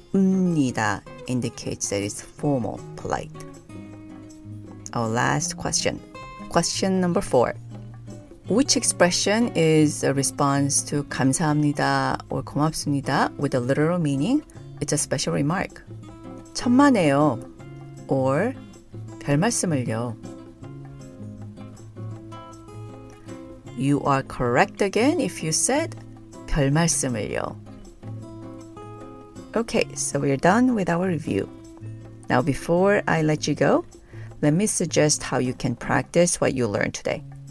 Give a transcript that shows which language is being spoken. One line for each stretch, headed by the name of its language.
English: 입니다 indicates that it's formal polite. Our last question. Question number four. Which expression is a response to 감사합니다 or 고맙습니다 with a literal meaning? It's a special remark.
Korean: 천만에요
English: or
Korean: 별 말씀을요.
English: You are correct again if you said
Korean: 별 말씀을요.
English: Okay, so we're done with our review. Now before I let you go, let me suggest how you can practice what you learned today.